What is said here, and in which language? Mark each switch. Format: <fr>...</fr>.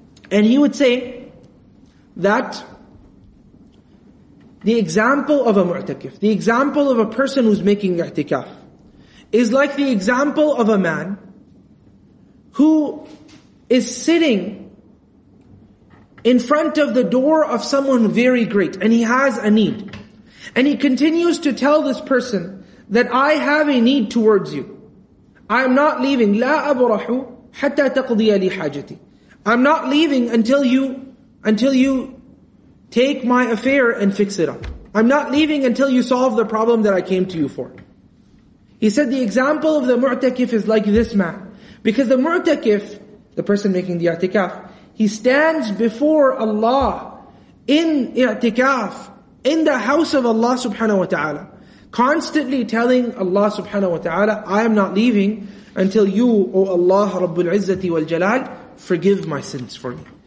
<en>And he would say that the example of a mu'takif, the example of a person who's making i'tikaf, is like the example of a man who is sitting in front of the door of someone very great, and he has a need. And he continues to tell this person that I have a need towards you. I'm not leaving.</en> <ar>لا أبرح حتى تقضي لي حاجتي.</ar> <en>I'm not leaving until you take my affair and fix it up. I'm not leaving until you solve the problem that I came to you for. He said the example of the mu'takif is like this man. Because the mu'takif, the person making the i'tikaf, he stands before Allah in i'tikaf, in the house of Allah subhanahu wa ta'ala, constantly telling Allah subhanahu wa ta'ala, I am not leaving until you, O Allah Rabbul Izzati wal Jalal, forgive my sins for me.</en>